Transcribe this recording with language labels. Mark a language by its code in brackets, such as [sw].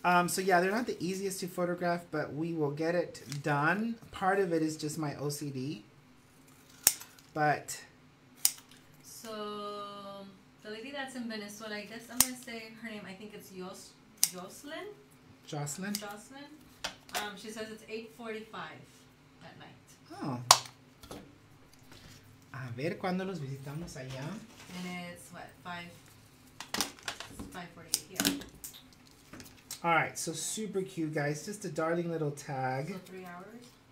[en] So yeah, they're not the easiest to photograph, but we will get it done. Part of it is just my OCD, but. So, the lady that's in Venezuela, I guess I'm going to say her name, I think it's Jocelyn. Jocelyn. Jocelyn. She says it's 8:45 at night. [es] Oh. A ver, ¿cuándo los visitamos allá? [en] And it's, what, 5:48, yeah. All right, so super cute, guys. Just a darling little tag. So 3 hours.